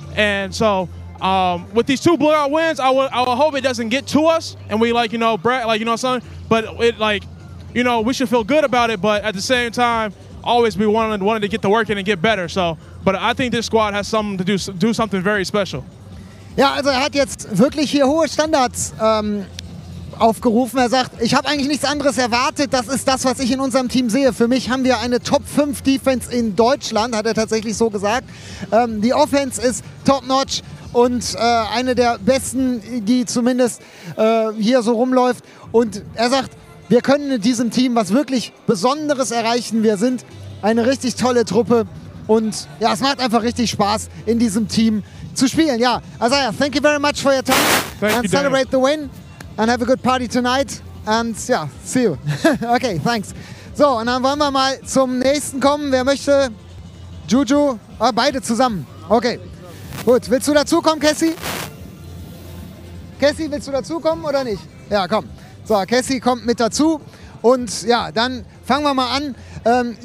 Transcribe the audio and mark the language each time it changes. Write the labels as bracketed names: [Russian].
[English] And so with these two blowout wins, I would hope it doesn't get to us, and we like, you know, Brett, like, you know, something, but it, like, you know, we should feel good about it, but at the same time, always be wanting to get the work in and get better. So, but I think this squad has something to do something very special. [German] Ja, also er hat jetzt wirklich hier hohe Standards aufgerufen. Er sagt, ich habe eigentlich nichts anderes erwartet. Das ist das, was ich in unserem Team sehe. Für mich haben wir eine Top 5 Defense in Deutschland, hat er tatsächlich so gesagt. Die Offense ist top notch und eine der besten, die zumindest hier so rumläuft. Und er sagt, wir können in diesem Team was wirklich Besonderes erreichen. Wir sind eine richtig tolle Truppe. Und ja, es macht einfach richtig Spaß, in diesem Team zu spielen. [English] Ja, Isaiah, thank you very much for your time. Thank and you, celebrate Dan. The win and have a good party tonight. And yeah, see you. Okay, thanks. [German] So, und dann wollen wir mal zum nächsten kommen. Wer möchte? Juju? Oh, beide zusammen. Okay. Gut, willst du dazukommen, Cassie? Cassie, willst du dazukommen oder nicht? Ja, komm. So, Cassie kommt mit dazu. Und ja, dann fangen wir mal an.